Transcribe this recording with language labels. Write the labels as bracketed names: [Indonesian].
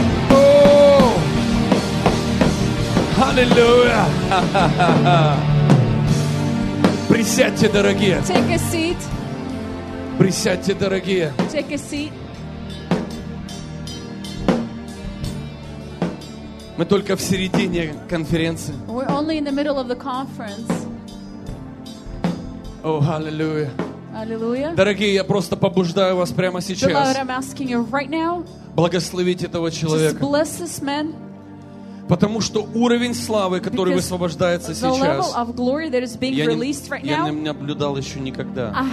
[English] Oh. Hallelujah. [Russian] Присядьте, дорогие. [English] Take a seat. [Russian] Присядьте, дорогие. [English] Take a seat. [Russian] Мы только в середине конференции. [English] We're only in the middle of the conference. Oh, hallelujah. Hallelujah. [Russian] Дорогие, я просто побуждаю вас прямо сейчас. [English] The Lord, I'm asking you right now. [Russian] Благословить этого человека. [English] Just bless this man. [Russian] Потому что уровень славы, который [English] Because [Russian] высвобождается сейчас, я не наблюдал еще никогда.